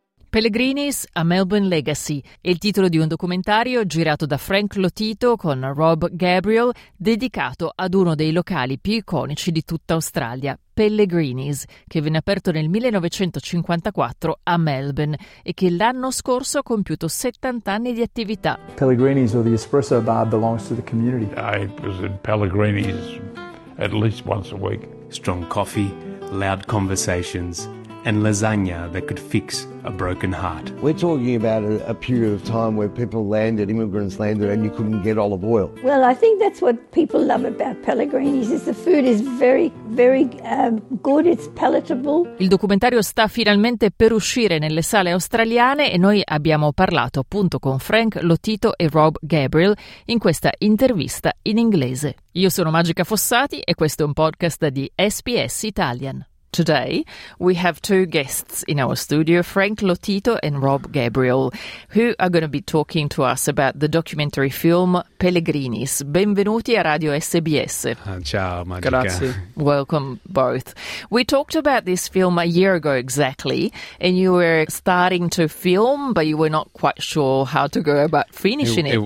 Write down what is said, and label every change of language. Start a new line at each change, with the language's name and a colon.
Italian: Pellegrinis, A Melbourne Legacy, il titolo di un documentario girato da Frank Lotito con Rob Gabriel, dedicato ad uno dei locali più iconici di tutta Australia, Pellegrinis, che venne aperto nel 1954 a Melbourne e che l'anno scorso ha compiuto 70 anni di attività.
English: Pellegrinis, or the espresso bar, belongs to the community. I was in Pellegrinis at least once a week. Strong coffee, loud conversations, and lasagna that could fix a broken heart. We're talking about a period of time where people landed, immigrants landed, and you couldn't get olive oil. Well, I think that's what people love about Pellegrinis, is the food is very, very good, it's palatable.
Italian: Il documentario sta finalmente per uscire nelle sale australiane e noi abbiamo parlato appunto con Frank Lotito e Rob Gabriel in questa intervista in inglese. Io sono Magica Fossati e questo è un podcast di SBS Italian. Today, we have two guests in our studio, Frank Lotito and Rob Gabriel, who are going to be talking to us about the documentary film Pellegrinis. Benvenuti a Radio SBS. Ciao, Magica. Grazie.
English: Welcome both. We talked about this film a year ago exactly, and you were starting to film, but you were not quite sure how to go about finishing it.